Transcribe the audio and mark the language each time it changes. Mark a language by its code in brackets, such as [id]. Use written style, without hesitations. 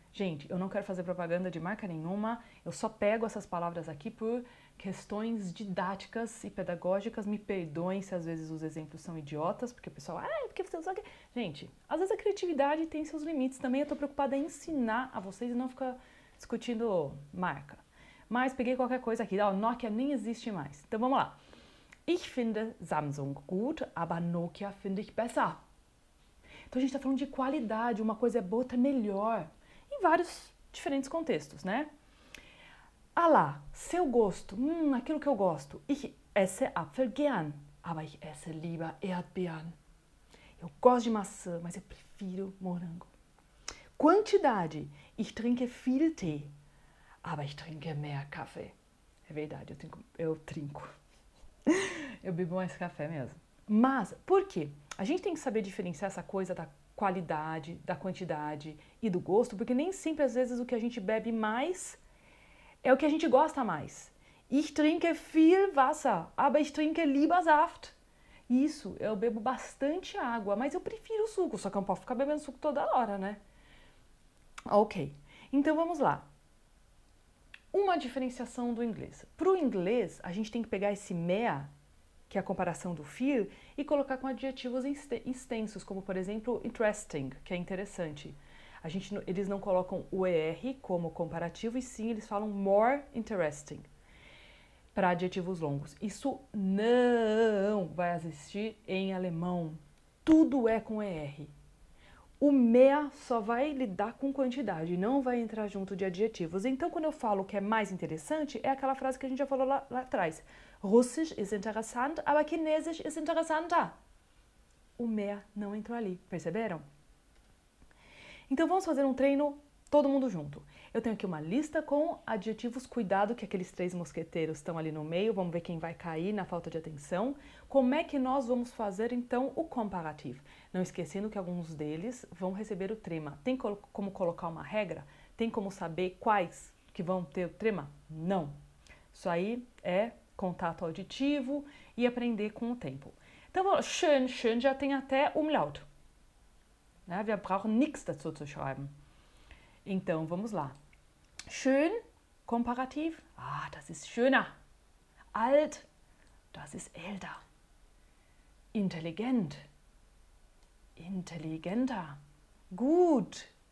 [pt] Gente, eu não quero fazer propaganda de marca nenhuma, eu só pego essas palavras aqui por questões didáticas e pedagógicas. Me perdoem se às vezes os exemplos são idiotas, porque o pessoal, ah, é porque você usa aqui. Gente, às vezes a criatividade tem seus limites também. Eu estou preocupada em ensinar a vocês e não ficar discutindo marca. Mas peguei qualquer coisa aqui, ó, Nokia nem existe mais. Então vamos lá. [de] Ich finde Samsung gut, aber Nokia finde ich besser. [pt] Então a gente está falando de qualidade, uma coisa é boa, outra é melhor. Vários diferentes contextos, né? Ah lá, seu gosto. Aquilo que eu gosto. [de] Ich esse Apfel gern, aber ich esse lieber Erdbeeren. [pt] Eu gosto de maçã, mas eu prefiro morango. Quantidade. [de] Ich trinke viel Tee, aber ich trinke mehr Kaffee. [pt] É verdade, eu trinco. Eu bebo mais café mesmo. Mas, por quê? A gente tem que saber diferenciar essa coisa da qualidade, da quantidade e do gosto, porque nem sempre, às vezes, o que a gente bebe mais é o que a gente gosta mais. [de] Ich trinke viel Wasser, aber ich trinke lieber Saft. [pt] Isso, eu bebo bastante água, mas eu prefiro suco, só que eu não posso ficar bebendo suco toda hora, né? Ok, então vamos lá. Uma diferenciação do inglês. Para o inglês, a gente tem que pegar esse mehr, que é a comparação do viel, e colocar com adjetivos extensos, como por exemplo, interesting, que é interessante. A gente, eles não colocam o er como comparativo, e sim eles falam [en] more interesting [pt] para adjetivos longos. Isso não vai existir em alemão. Tudo é com ER. O mea só vai lidar com quantidade, não vai entrar junto de adjetivos. Então, quando eu falo que é mais interessante, é aquela frase que a gente já falou lá atrás. [de] Russisch ist interessant, aber chinesisch ist interessanter. [pt] O mea não entrou ali, perceberam? Então, vamos fazer um treino todo mundo junto. Eu tenho aqui uma lista com adjetivos, cuidado que aqueles três mosqueteiros estão ali no meio, vamos ver quem vai cair na falta de atenção. Como é que nós vamos fazer então o comparativo? Não esquecendo que alguns deles vão receber o trema. Tem como colocar uma regra? Tem como saber quais que vão ter o trema? Não. Isso aí é contato auditivo e aprender com o tempo. Então, schön, schön já tem até umlaut. Né? [de] Wir brauchen nichts dazu zu schreiben. [pt] Então, vamos lá. Schön, komparativ. [de] Ah, das ist schöner. Alt, das ist älter. Intelligent, intelligenter. Gut.